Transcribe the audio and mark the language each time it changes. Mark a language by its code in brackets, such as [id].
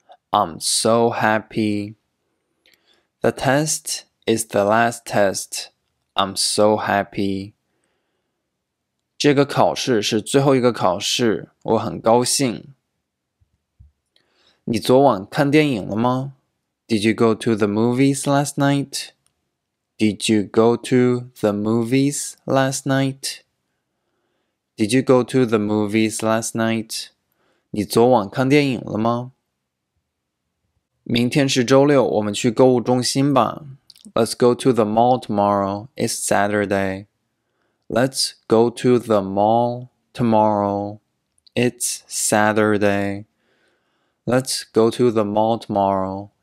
[en] I'm so happy. The test is the last test. I'm so happy. [zh] 这个考试是最后一个考试，我很高兴。你昨晚看电影了吗？ [en] Did you go to the movies last night? Did you go to the movies last night? Did you go to the movies last night? [zh] 你昨晚看电影了吗？明天是周六，我们去购物中心吧。 [en] Let's go to the mall tomorrow. It's Saturday. Let's go to the mall tomorrow. It's Saturday. Let's go to the mall tomorrow.